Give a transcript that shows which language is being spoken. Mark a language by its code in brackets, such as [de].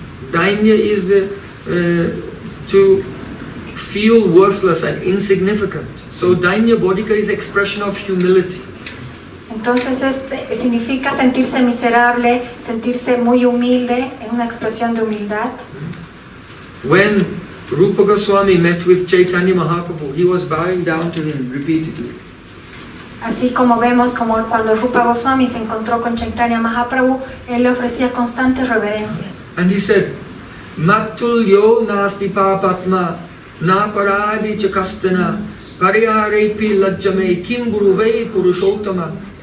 [en] Dañya is the to feel worthless and insignificant. So Dañya Bodhika is expression of humility. [es] Entonces este significa sentirse miserable, sentirse muy humilde, es una expresión de humildad. [en] When Rupa Goswami met with Chaitanya Mahaprabhu, he was bowing down to him repeatedly. [es] Así como vemos como cuando Rupa Goswami se encontró con Chaitanya Mahaprabhu, él le ofrecía constantes reverencias. [sa] And he said, Matulyo nasti papatma na paradi chakastana parihareipi lajjame kim guruvei purushottama.